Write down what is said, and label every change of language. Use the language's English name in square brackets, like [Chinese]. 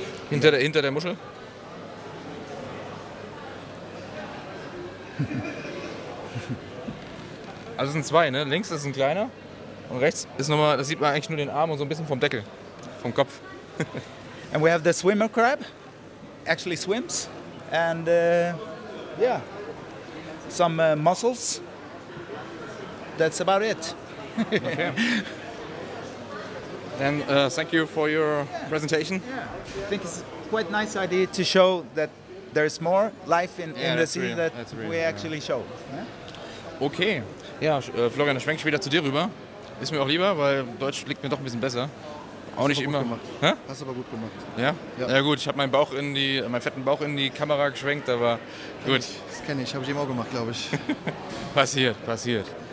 [German] Hinter der Muschel. Also es sind zwei, ne? Links ist ein kleiner und rechts ist nochmal, da sieht man eigentlich nur den Arm und so ein bisschen vom Deckel, vom Kopf. [English] And we have the swimmer crab, actually swims, and some mussels. That's about it. Okay. And thank you for your presentation. Yeah, I think it's quite nice idea to show that there's more life in the sea show. Yeah? Okay. [German] Ja, Florian, dann schwenke ich wieder zu dir rüber. Ist mir auch lieber, weil Deutsch liegt mir doch ein bisschen besser. Auch nicht immer. Hast du aber gut gemacht. Ja? Ja gut, ich habe meinen fetten Bauch in die Kamera geschwenkt, aber gut. Das kenne ich, habe ich eben auch gemacht, glaube ich. passiert.